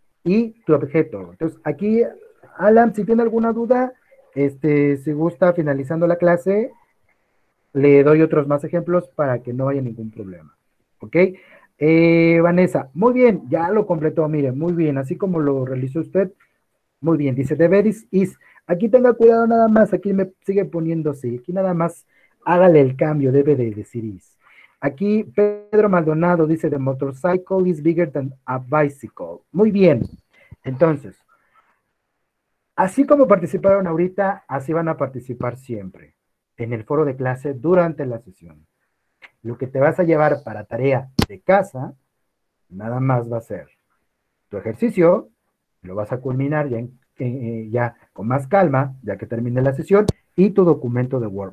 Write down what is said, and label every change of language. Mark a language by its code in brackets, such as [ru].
[es] Y tu objeto. Entonces, aquí, Alan, si tiene alguna duda, si gusta, finalizando la clase, le doy otros más ejemplos para que no haya ningún problema. ¿Ok? Vanessa, muy bien, ya lo completó, mire, muy bien, así como lo realizó usted, muy bien, dice, [en] the bed is, [es] aquí tenga cuidado nada más, aquí me sigue poniendo sí, aquí nada más, hágale el cambio, debe de decir is. [en] Aquí, Pedro Maldonado [es] dice, [en] the motorcycle is bigger than a bicycle. [es] Muy bien, entonces, así como participaron ahorita, así van a participar siempre en el foro de clase durante la sesión. Lo que te vas a llevar para tarea de casa, nada más va a ser tu ejercicio, lo vas a culminar ya con más calma, ya que termine la sesión, y tu documento de Word.